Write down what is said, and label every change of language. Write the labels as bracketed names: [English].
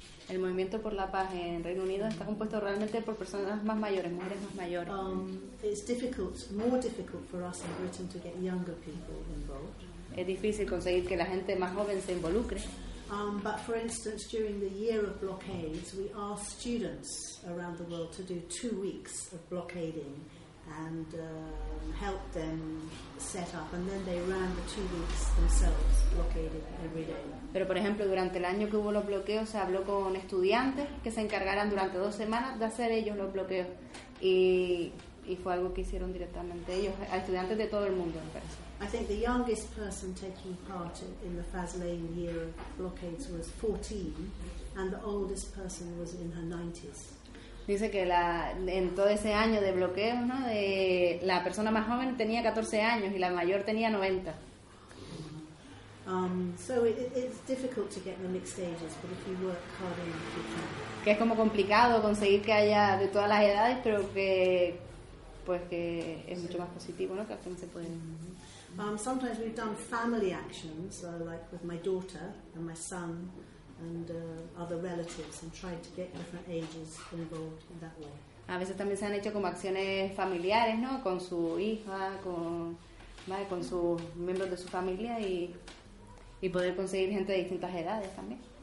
[Spanish] El movimiento por la paz en Reino Unido está compuesto realmente por personas más mayores, mujeres más mayores. [English] It's difficult, more difficult for us in Britain to get younger people involved. [Spanish] Es difícil conseguir que la gente más joven se involucre. [English] But for instance, during the year of blockades, we asked students around the world to do 2 weeks of blockading and help them set up, and then they ran the 2 weeks themselves blockaded every day. [Spanish] Pero por ejemplo, durante el año que hubo los bloqueos, se habló con estudiantes que se encargaran durante 2 semanas de hacer ellos los bloqueos, y fue algo que hicieron directamente ellos, a estudiantes de todo el mundo, me parece. [English] I think the youngest person taking part in the Faslane year of blockades was 14, and the oldest person was in her 90s. [Spanish] Dice que en todo ese año de bloqueos, ¿no? La persona más joven tenía 14 años y la mayor tenía 90. [English] So it's difficult to get the mixed ages, but if you work hard enough, you can. [Spanish] Que es como complicado conseguir que haya de todas las edades, pero que pues que es mucho más positivo, ¿no? Que al fin se puede. [English] Sometimes we've done family actions, like with my daughter and my son and other relatives, and tried to get different ages involved in that way. [Spanish] A veces también se han hecho como acciones familiares, ¿no? Con su hija, con sus miembros de su familia, y poder conseguir gente de distintas edades también.